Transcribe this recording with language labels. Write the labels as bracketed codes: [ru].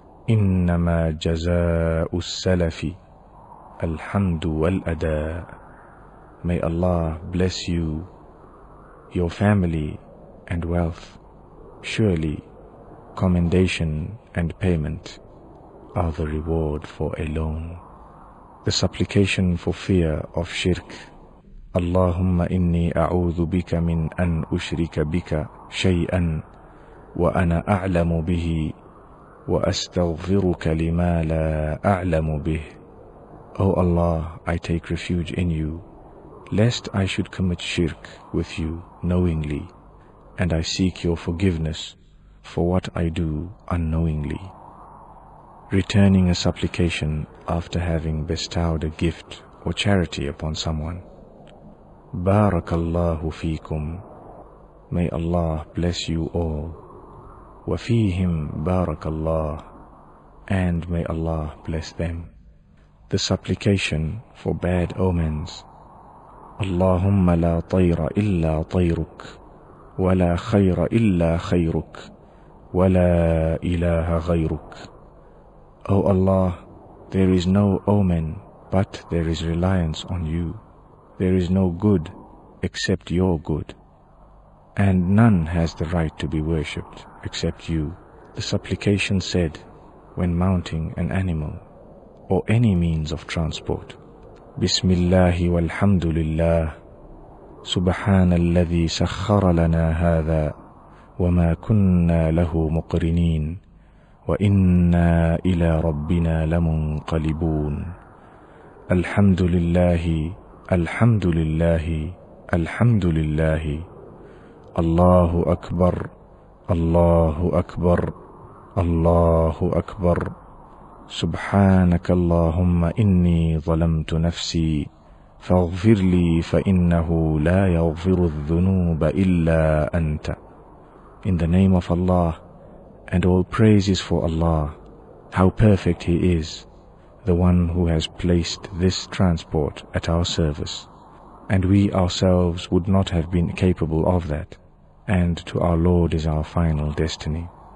[ar] إنما جزاء السلف الحمد والأداء. [en] May Allah bless you, your family, and wealth. Surely, commendation and payment are the reward for a loan. The supplication for fear of shirk. [ar] اللهم إني أعوذ بك من أن أشرك بك شيئا وأنا أعلم به وأستغفرك لما لا أعلم به. [en] O Allah, I take refuge in You, lest I should commit shirk with You knowingly, and I seek Your forgiveness for what I do unknowingly. Returning a supplication after having bestowed a gift or charity upon someone. [ar] بارك الله فيكم. [en] May Allah bless you all. [ar] وفيهم بارك الله. [en] And may Allah bless them. The supplication for bad omens. [ar] اللهم لا طير إلا طيرك ولا خير إلا خيرك ولا إله غيرك. [en] O Allah, there is no omen but there is reliance on You. There is no good except Your good. And none has the right to be worshipped except You. The supplication said when mounting an animal or any means of transport. [ar] بسم الله والحمد لله سبحان الذي سخر لنا هذا وما كنا له مقرنين وإنا إلى ربنا لمنقلبون. الحمد لله الحمد لله الحمد لله. الله أكبر الله أكبر الله أكبر. سبحانك اللهم إني ظلمت نفسي فاغفر لي فإنه لا يغفر الذنوب إلا أنت. [en] In the name of Allah, and all praises for Allah, how perfect He is, the one who has placed this transport at our service, and we ourselves would not have been capable of that, and to our Lord is our final destiny.